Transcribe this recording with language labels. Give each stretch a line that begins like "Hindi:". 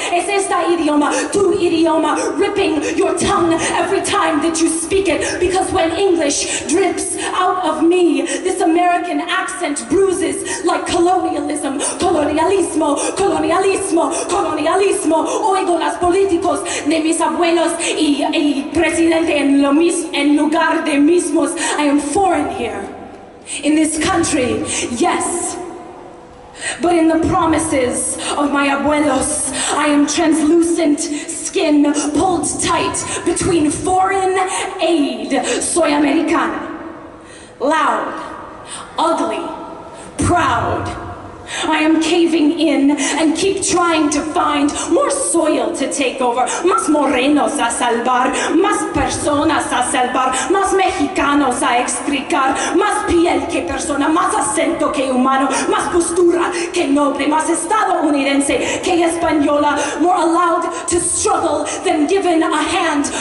Spanish: Es esta idioma, tu idioma,
English: ripping your tongue every time that you speak it, because when English drips out of me, this American accent bruises like colonialism,
Spanish: colonialismo, colonialismo, colonialismo. Oigo las políticos de mis abuelos y presidente en lo mismo, en lugar de mismos.
English: I am foreign here, in this country, yes. But in the promises of my abuelos, I am translucent skin pulled tight between foreign aid.
Spanish: Soy americana.
English: Loud, ugly, proud. I am caving in and keep trying to find more soil to take over.
Spanish: Más morenos a salvar, más personas a salvar, más mexicanos a explicar, más piel que persona, más acento que humano, más postura que noble, más estadounidense que española.
English: More allowed to struggle than given a hand.